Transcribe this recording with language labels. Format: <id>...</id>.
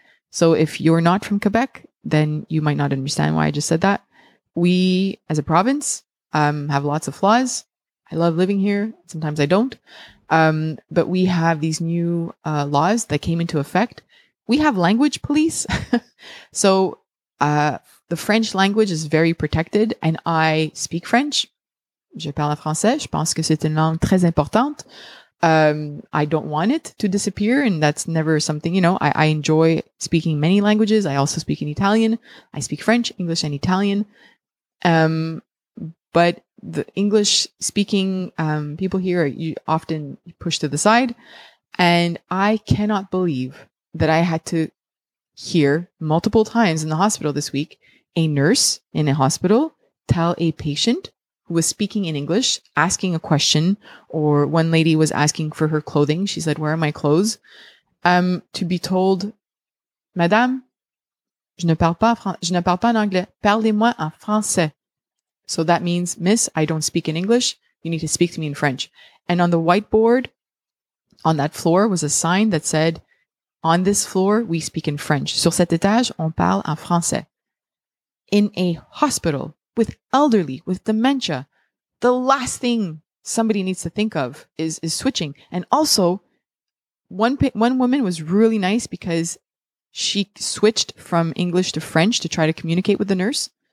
<en>So if you're not from Quebec, then you might not understand why I just said that. We, as a province, have lots of flaws. I love living here. Sometimes I don't. But we have these new laws that came into effect. We have language police. The French language is very protected, and I speak French.</en> <fr>Je parle français. Je pense que c'est une langue très importante.</fr> <en>I don't want it to disappear. And that's never something, you know, I enjoy speaking many languages. I also speak in Italian. I speak French, English, and Italian. But the English speaking people here are often pushed to the side. And I cannot believe that I had to hear multiple times in the hospital this week, a nurse in a hospital tell a patient who was speaking in English, asking a question, or one lady was asking for her clothing. She said, "Where are my clothes?" To be told,</en> <fr>"Madame, je ne parle pas en anglais. Parlez-moi en français."</fr> <en>So that means, "Miss, I don't speak in English. You need to speak to me in French." And on the whiteboard on that floor was a sign that said, "On this floor, we speak in French.</en> <fr>Sur cet étage, on parle en français."</fr> <en>In a hospital with elderly, with dementia, the last thing somebody needs to think of is switching. And also, one woman was really nice because she switched from English to French to try to communicate with the nurse.</en>